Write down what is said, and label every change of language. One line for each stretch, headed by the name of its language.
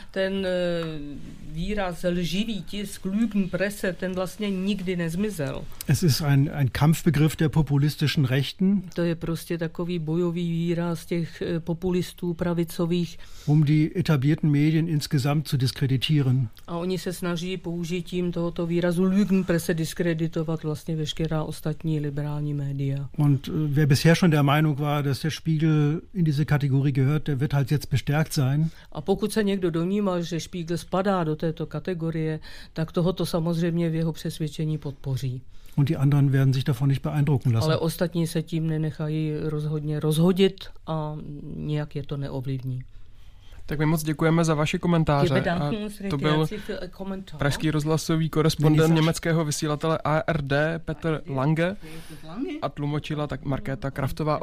Czech: Ten výraz lživý tisk, Lügenpresse, ten vlastně nikdy nezmizel.
German: Es ist ein Kampfbegriff der populistischen Rechten.
Czech: To je prostě takový bojový výraz těch populistů pravicových.
German: Um die etablierten Medien insgesamt zu diskreditieren.
Czech: A oni se snaží použitím tohoto výrazu Lügenpresse diskreditovat vlastně veškerá ostatní liberální média.
German: Und wer bisher schon der Meinung war, dass der Spiegel in diese Kategorie gehört, der wird halt jetzt bestärkt sein.
Czech: A pokud se někdo domnívá, že Spiegel spadá do této kategorie, tak tohoto samozřejmě v jeho přesvědčení podpoří.
German: Und die anderen werden sich davon nicht beeindrucken lassen.
Czech: Ale ostatní se tím nenechají rozhodně rozhodit a nijak je to neovlivní. Tak my moc děkujeme za vaše komentáře. A to byl pražský rozhlasový korespondent německého vysílatele ARD Petr Lange a tlumočila tak Markéta Kraftová.